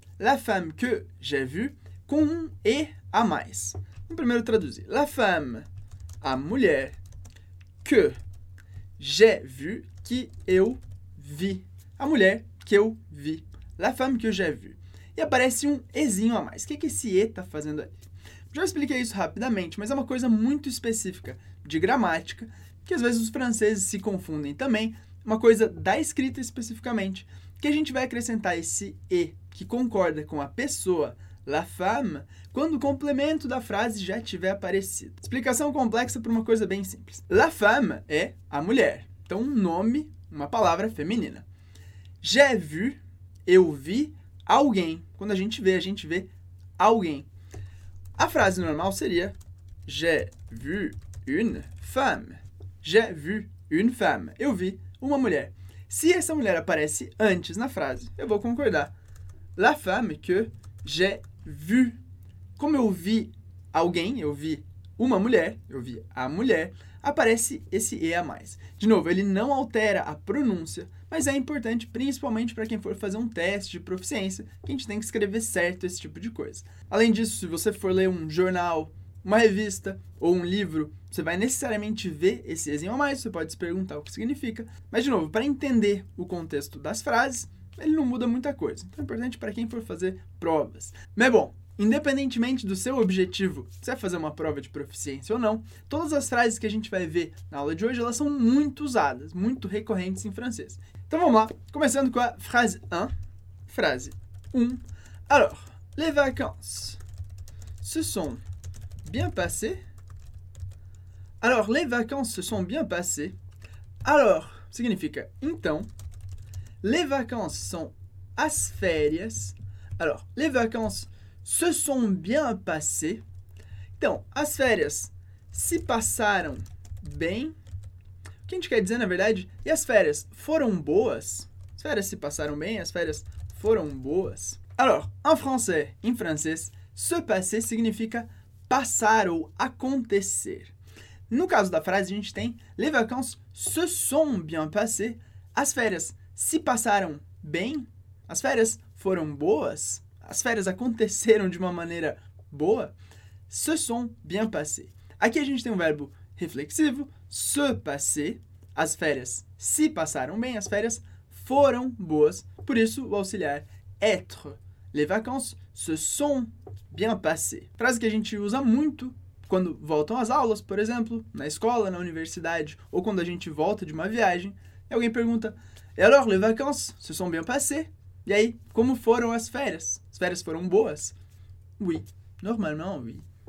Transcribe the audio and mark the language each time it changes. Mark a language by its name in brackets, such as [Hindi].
[French] La femme que j'ai vue, [Portuguese] com um e a mais. Vamos primeiro traduzir. [French] La femme, [Portuguese] a mulher, [French] que j'ai vue, [Portuguese] que eu vi. A mulher que eu vi. [French] La femme que j'ai vue. [Portuguese] E aparece um ezinho a mais. O que, que esse e tá fazendo aí? Já expliquei isso rapidamente, mas é uma coisa muito específica de gramática, que às vezes os franceses se confundem também, uma coisa da escrita especificamente, que a gente vai acrescentar esse e, que concorda com a pessoa, la femme, quando o complemento da frase já tiver aparecido. Explicação complexa para uma coisa bem simples. La femme é a mulher, então um nome, uma palavra feminina. [French] J'ai vu, [Portuguese] eu vi, alguém. Quando a gente vê alguém. A frase normal seria [French] j'ai vu une femme. J'ai vu une femme. [Portuguese] Eu vi uma mulher. Se essa mulher aparece antes na frase, eu vou concordar. [French] La femme que j'ai vu. [Portuguese] Como eu vi alguém, eu vi uma mulher, eu vi a mulher, aparece esse e a mais. De novo, ele não altera a pronúncia, mas é importante principalmente para quem for fazer um teste de proficiência, que a gente tem que escrever certo esse tipo de coisa. Além disso, se você for ler um jornal, uma revista ou um livro, você vai necessariamente ver esse ezinho a mais, você pode se perguntar o que significa. Mas, de novo, para entender o contexto das frases, ele não muda muita coisa. Então, é importante para quem for fazer provas. Mas, bom, independentemente do seu objetivo, se é fazer uma prova de proficiência ou não, todas as frases que a gente vai ver na aula de hoje, elas são muito usadas, muito recorrentes em francês. Então, vamos lá. Começando com a frase 1. Frase 1. [French] Alors, les vacances se sont bien passées? Alors, les vacances se sont bien passées? Alors, [Portuguese] significa então. [French] Les vacances sont [Portuguese] as férias. [French] Alors, les vacances se sont bien passées. [Portuguese] Então, as férias se passaram bem. O que a gente quer dizer, na verdade, e as férias foram boas? As férias se passaram bem, as férias foram boas. [French] Alors, en français, [Portuguese] em francês, se passer significa passar ou acontecer. No caso da frase, a gente tem [French] les vacances se sont bien passées. [Portuguese] As férias se passaram bem? As férias foram boas? As férias aconteceram de uma maneira boa? [French] Se sont bien passées. [Portuguese] Aqui a gente tem um verbo reflexivo, se passer, as férias se passaram bem, as férias foram boas. Por isso, o auxiliar être. [French] Les vacances se sont bien passées. [Portuguese] Frase que a gente usa muito quando voltam as aulas, por exemplo, na escola, na universidade, ou quando a gente volta de uma viagem. E alguém pergunta, [French] et alors, les vacances se sont bien passées? [Portuguese] E aí, como foram as férias? As férias foram boas? [French] Oui. Normalement, oui.